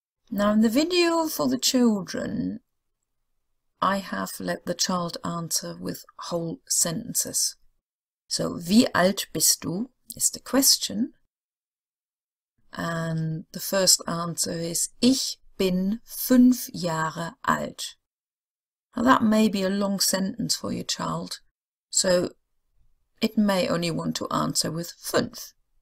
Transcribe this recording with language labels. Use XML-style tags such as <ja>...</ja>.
<en>Now in the video for the children, I have let the child answer with whole sentences. So,</en> <de>Wie alt bist du?</de> <en>Is the question. And the first answer is,</en> <de>Ich bin 5 Jahre alt.</de> <en>Now that may be a long sentence for your child, so it may only want to answer with 5.</en>